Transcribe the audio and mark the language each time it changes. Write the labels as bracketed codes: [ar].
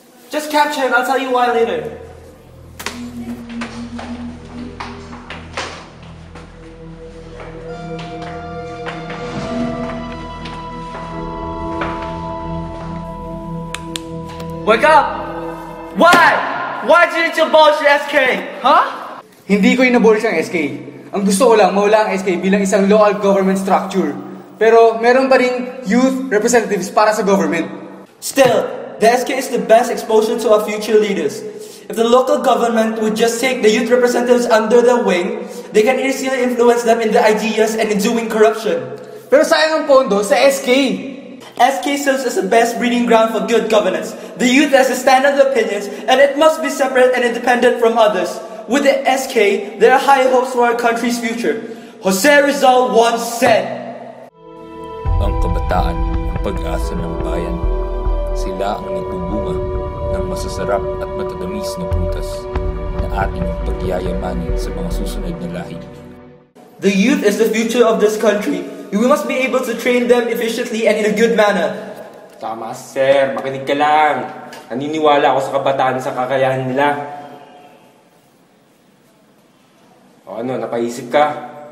[en] Just capture him, I'll tell you why later. Wake up! Why? Why didn't you abolish your SK, huh? [tl] Hindi ko inabolish ang SK. Ang gusto ko lang, mawala ang SK bilang isang local government structure. Pero meron pa rin [en] youth representatives [tl] para sa government. [en] Still, the SK is the best exposure to our future leaders. If the local government would just take the youth representatives under their wing, they can easily influence them in the ideas and in doing corruption. [tl] Pero sayang ang pondo sa SK. [en] SK serves as the best breeding ground for good governance. The youth has a standard of opinions and it must be separate and independent from others. With the SK, there are high hopes for our country's future. Jose Rizal once said, [tl] ang kabataan, ang pag-asa ng bayan. Sila ang nagbubunga ng masasarap at matatamis na prutas na ating pagyayamanin sa mga susunod na lahi. [en] The youth is the future of this country. We must be able to train them efficiently and in a good manner. [tl] Tama, sir. Makinig ka lang. Naniniwala ako sa kabataan sa kakayahan nila. O ano, napaisip ka?